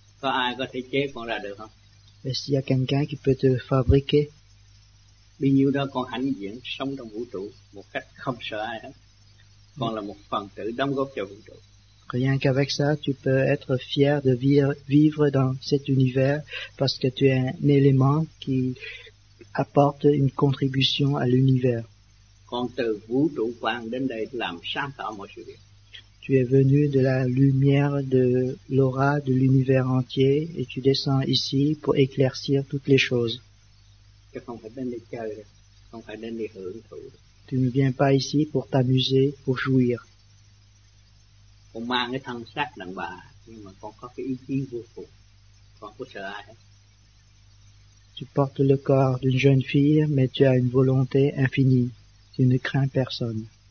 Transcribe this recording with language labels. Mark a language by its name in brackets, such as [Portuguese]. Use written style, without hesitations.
[French] Et s'il y a quelqu'un qui peut te fabriquer, rien qu'avec ça, tu peux être fier de vivre dans cet univers parce que tu es un élément qui apporte une contribution à l'univers. [Vietnamese] Con từ vũ trụ quang đến đây làm sáng tỏ mọi sự việc. [French] Tu es venu de la lumière de l'aura de l'univers entier et tu descends ici pour éclaircir toutes les choses. [Vietnamese] Chứ không phải đến đây chơi, không phải đến đây hưởng thụ. [French] Tu ne viens pas ici pour t'amuser, pour jouir. [Vietnamese] Con mang cái thân xác đàn bà, nhưng mà con có cái ý chí vô cùng. Con có sợ ai hết. [French] Tu portes le corps d'une jeune fille, mais tu as une volonté infinie. Tu ne crains personne.